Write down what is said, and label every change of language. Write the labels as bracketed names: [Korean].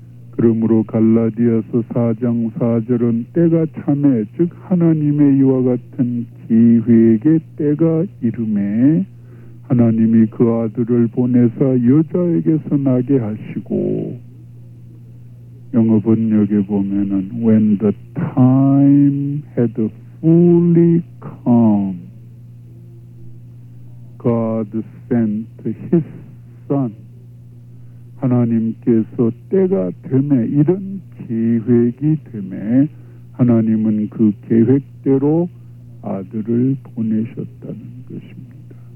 [Korean] 그러므로 갈라디아서 4장 4절은 때가 참에 즉 하나님의 이와 같은 계획의 때가 이르매 하나님이 그 아들을 보내사 여자에게서 나게 하시고 [English] 영어번역에 보면은 when the time had fully come, God sent his son. [Korean] 하나님께서 때가 되매, 이런 계획이 되매 하나님은 그 계획대로 아들을 보내셨다는 것입니다.